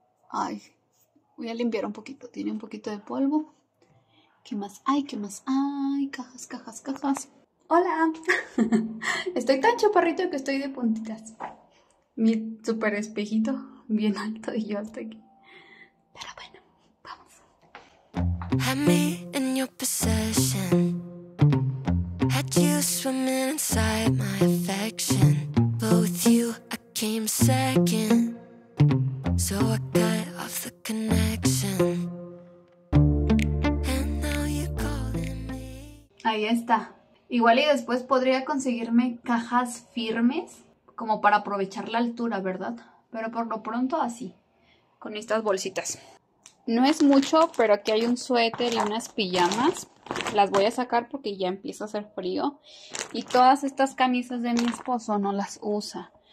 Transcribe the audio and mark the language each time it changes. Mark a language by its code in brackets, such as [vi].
[es] Ay, voy a limpiar un poquito. Tiene un poquito de polvo. ¿Qué más hay? ¿Qué más hay? Cajas, cajas, cajas. ¡Hola! Estoy tan chaparrito que estoy de puntitas. Mi super espejito, bien alto y yo hasta aquí. Pero bueno, vamos. [en] Had me in your possession. Had you swimming inside my affection. But with you, I came second. So I cut off the connection. And now you're calling me. [es] Ahí está. Igual y después podría conseguirme cajas firmes como para aprovechar la altura, ¿verdad? Pero por lo pronto así, con estas bolsitas. No es mucho, pero aquí hay un suéter y unas pijamas. Las voy a sacar porque ya empieza a hacer frío. Y todas estas camisas de mi esposo no las usa.